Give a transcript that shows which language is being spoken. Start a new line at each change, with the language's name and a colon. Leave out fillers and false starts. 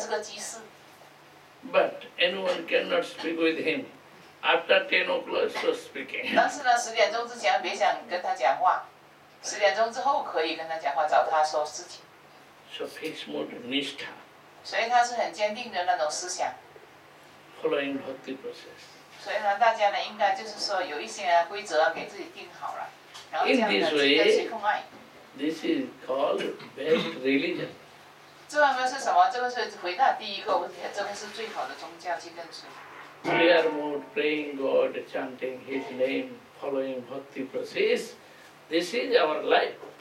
Chinese: 然后他就像唱诵圣名。他是一个商人，他也有妻子有家庭，他是个技师。But
English: anyone cannot speak with him after 10 o'clock, so speaking.
Chinese: 但是呢，10点钟之前别想跟他讲话，10点钟之后可以跟他讲话，找他说事情。So
English: fixed mode nishtha.
Chinese: 所以他是很坚定的那种思想。Following
English: bhakti process.
Chinese: 所以呢，大家呢应该就是说有一些规则给自己定好了，然后这样呢，自己去奉爱。
English: This is called best religion.
Chinese: 这个是什么？这个是回答第一个问题，这个是最好的宗教去跟随。
English: We are more praying God, chanting His name, following bhakti process. This is our life.